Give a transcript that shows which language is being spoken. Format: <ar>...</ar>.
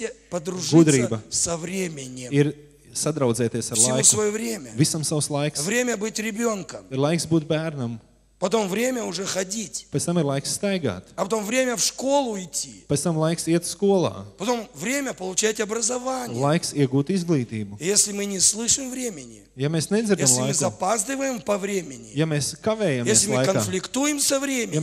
<ru>Подружиться со временем.</ru> <lv>Ir sadraudzēties ar laiku.</lv> <ru>Всему своё время.</ru> <lv>Visam savs laiks.</lv> <ru>Время быть ребёнком.</ru> <lv>Ir laiks būt bērnam.</lv> <ru>Потом время уже ходить.</ru> <lv>Pēc tam ir laiks staigāt.</lv> <ru>А потом время в школу идти.</ru> <lv>Pēc tam laiks iet skolā.</lv> <ru>Потом время получать образование.</ru> <lv>Laiks iegūt izglītību.</lv> <ru>Если мы не слышим времени.</ru> <lv>Ja mēs nedzirdam</lv> <ru>если</ru> <lv>laiku.</lv> <ru>Если мы запаздываем по времени.</ru> <lv>Ja mēs kavējamies</lv> <ru>если</ru> <lv>laikā.</lv> <ru>Если мы конфликтуем со временем.</ru>